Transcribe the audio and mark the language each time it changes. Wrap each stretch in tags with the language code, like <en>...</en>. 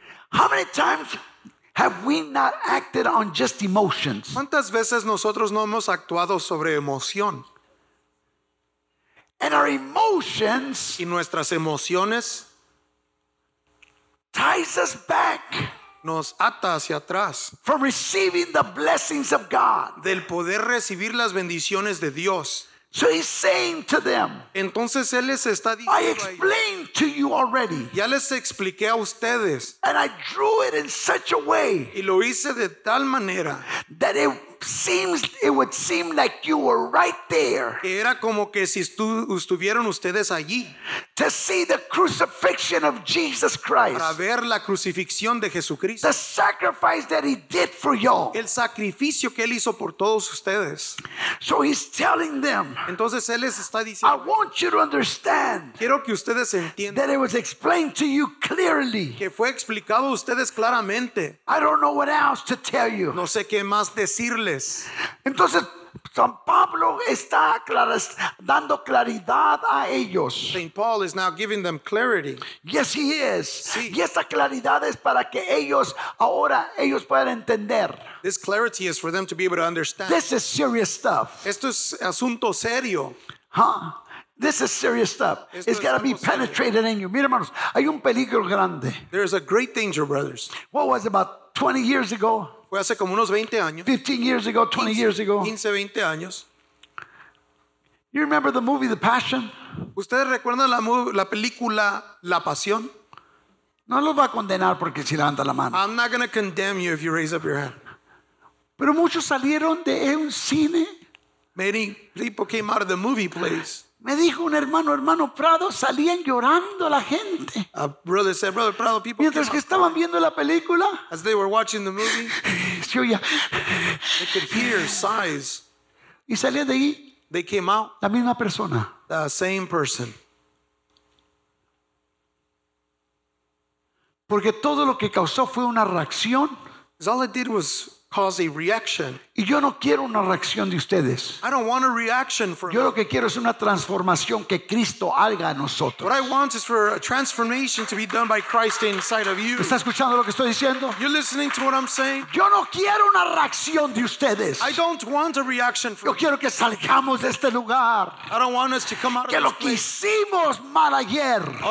<en>How many times have we not acted on just emotions?</en> <es>¿Cuántas veces nosotros no hemos actuado sobre emoción?</es> <en>And our emotions,</en> <es>y nuestras emociones,</es> <en>ties us back.</en> <es>nos ata hacia atrás.</es> <en>From receiving the blessings of God.</en> <es>Del poder recibir las bendiciones de Dios.</es> <en>So he's saying to them.</en> <es>Entonces él les está diciendo.</es> <en>I explained to you already.</en> <es>Ya les expliqué a ustedes.</es> <en>And I drew it in such a way.</en> <es>Y lo hice de tal manera.</es> <en>That it would seem like you were right there.</en> <es>Que era como que si estuvieron ustedes allí.</es> <en>To see the crucifixion of Jesus Christ.</en> <es>Para ver la crucifixión de Jesucristo.</es> <en>The sacrifice that he did for y'all.</en> <es>El sacrificio que él hizo por todos ustedes.</es> <en>So he's telling them.</en> <es>Entonces él les está diciendo.</es> <en>I want you to understand.</en> <es>Quiero que ustedes entiendan.</es> <en>That it was explained to you clearly.</en> <es>Que fue explicado a ustedes claramente.</es> <en>I don't know what else to tell you.</en> <es>No sé qué más decirles. Entonces San Pablo está dando claridad a ellos.</es> <en>Saint Paul is now giving them clarity. Yes, he is.</en> <es>Sí. Y esta claridad es para que ellos ahora ellos puedan entender.</es> <en>This clarity is for them to be able to understand. This is serious stuff.</en> <es>Esto es asunto serio.</es> <en>Huh? This is serious stuff.</en> <es>Esto</es> <en>it's got to be penetrated</en> <es>serio.</es> <en>In you.</en> <es>Mira, hermanos, hay un peligro grande.</es> <en>There is a great danger, brothers. What was about 20 years ago?</en> <es>Fue hace como unos 20 años.</es> <en>15 years ago, 20 years ago.</en> <es>15, 20 años.</es> <en>You remember the movie The Passion?</en> <es>¿Ustedes recuerdan la película La Pasión? No los va a condenar porque si levanta la mano.</es> <en>I'm not going to condemn you if you raise up your hand.</en> <es>Pero muchos salieron de un cine.</es> <en>Many people came out of the movie place.</en> <es>Me dijo un hermano Prado, salían llorando la gente.</es> <en>A brother said, brother Prado, people.</en> <es>Mientras que estaban viendo la película,</es> <en>as they were watching the movie,</en> <es>se oía.</es> <en>They could hear sighs.</en> <es>Y salían de ahí.</es> <en>They came out.</en> <es>La misma persona.</es> <en>The same person.</en> <es>Porque todo lo que causó fue una reacción.</es> <en>All it did was cause a reaction.</en> <es>Y yo no quiero una reacción de ustedes.</es> <en>I don't want a reaction from.</en> <es>Yo lo que quiero es una transformación que Cristo haga en nosotros.</es> <en>What I want is for a transformation to be done by Christ inside of you.</en> <es>¿Estás escuchando lo que estoy diciendo?</es> <en>You're listening to what I'm saying?</en> <es>Yo no quiero una reacción de ustedes.</es> <en>I don't want a reaction from.</en> <es>Yo quiero que salgamos de este lugar.</es> <en>I don't want us to come out</en> <es>que</es> <en>of this.</en> <es>Que lo que hicimos mal ayer.</es>